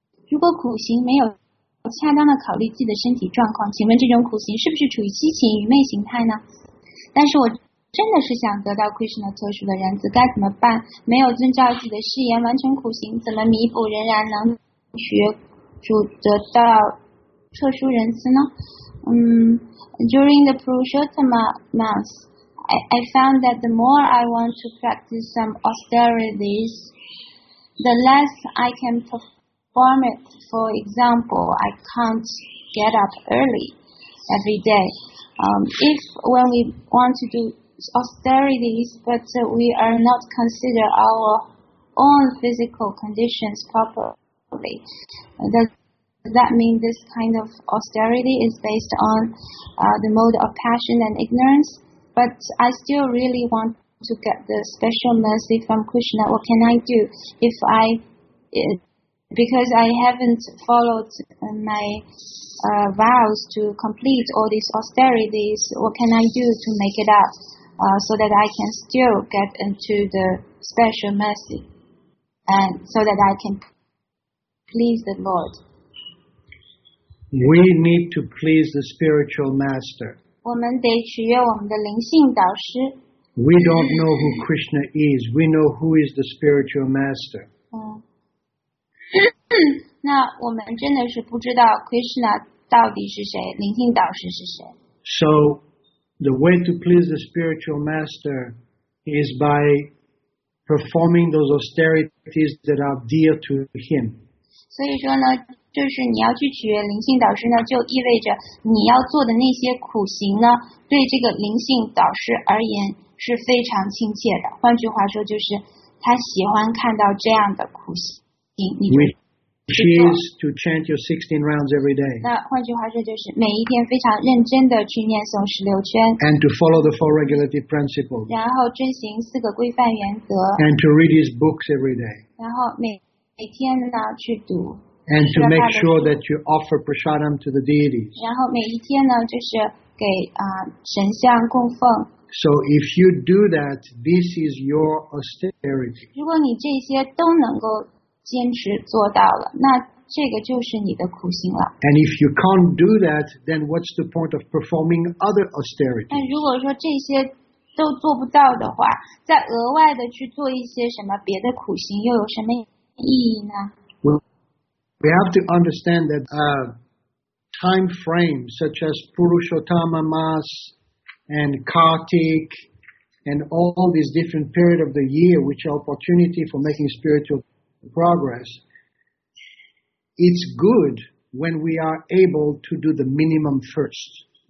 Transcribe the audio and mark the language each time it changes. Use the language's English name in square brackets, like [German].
[Chinese] 如果苦行没有恰当的考虑自己的身体状况，请问这种苦行是不是处于激情愚昧形态呢？但是我真的是想得到 Krishna 特殊的人子，该怎么办？没有遵照自己的誓言完成苦行，怎么弥补仍然能学主得到特殊人子呢？ [English] During the Purushottama months, I found that the more I want to practice some austerities, the less I can perform it. For example, I can't get up early every day. If when we want to do austerities, but we are not consider our own physical conditions properly, does that mean this kind of austerity is based on the mode of passion and ignorance? But I still really want to get the special mercy from Krishna. What can I do if I... Because I haven't followed my vows to complete all these austerities, what can I do to make it up so that I can still get into the special mercy and so that I can please the Lord? We need to please the spiritual master. [Chinese] 我们得取悦我们的灵性导师。 [English] We don't know who Krishna is. We know who is the spiritual master. [Chinese] 那我们真的是不知道 Krishna 到底是谁，灵性导师是谁。 [English] So, the way to please the spiritual master is by performing those austerities that are dear to him. [Chinese] 所以说呢，就是你要去取悦灵性导师呢，就意味着你要做的那些苦行呢，对这个灵性导师而言是非常亲切的。换句话说，就是他喜欢看到这样的苦行。 [English] Which is to chant your 16 rounds every day. [Chinese] 那换句话说就是每一天非常认真的去念诵16圈。 [English] And to follow the four regulative principles. [Chinese] 然后遵行四个规范原则。 [English] And to read his books every day. [Chinese] 然后每天呢去读。 [English] And to make sure that you offer prasadam to the deities. [Chinese] 然后每一天呢就是给神像供奉。 [English] So if you do that, this is your austerity. [Chinese] 如果你这些都能够坚持做到了，那这个就是你的苦行了。 [English] And if you can't do that, then what's the point of performing other austerities? [Chinese] 但如果说这些都做不到的话，再额外的去做一些什么别的苦行，又有什么意义呢？ [English] We have to understand that time frames such as Purushottama Mass and Kartik and all these different periods of the year, which are opportunity for making spiritual progress, it's good when we are able to do the minimum first.